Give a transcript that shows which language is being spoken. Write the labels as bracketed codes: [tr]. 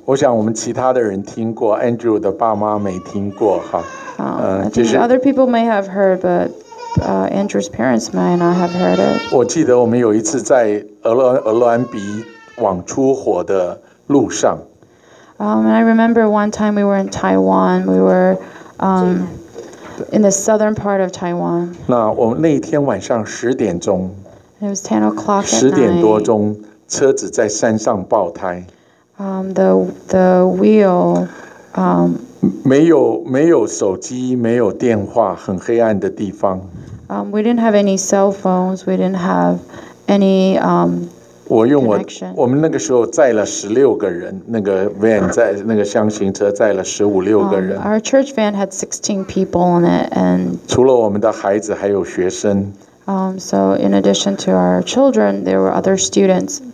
[zh] 我想我们其他的人听过 ，Andrew 的爸妈没听过哈。 [en] I think other people may have heard, but Andrew's parents might not have heard it. [zh] 我记得我们有一次在俄罗安比往出火的路上。 [en] And I remember one time we were in Taiwan. We were in the southern part of Taiwan. [zh] 那我们那一天晚上十点钟。 [en] It was 10 o'clock at night. [zh] 10点多钟，车子在山上爆胎。 [en] The wheel. [zh] 没有手机，没有电话，很黑暗的地方。 [en] We didn't have any cell phones. We didn't have any connection. [zh] 我们那个时候载了16个人，那个 van 载那个厢型车载了15、16个人。 [en] Our church van had 16 people in it, and [zh] 除了我们的孩子，还有学生。 [en] So in addition to our children, there were other students.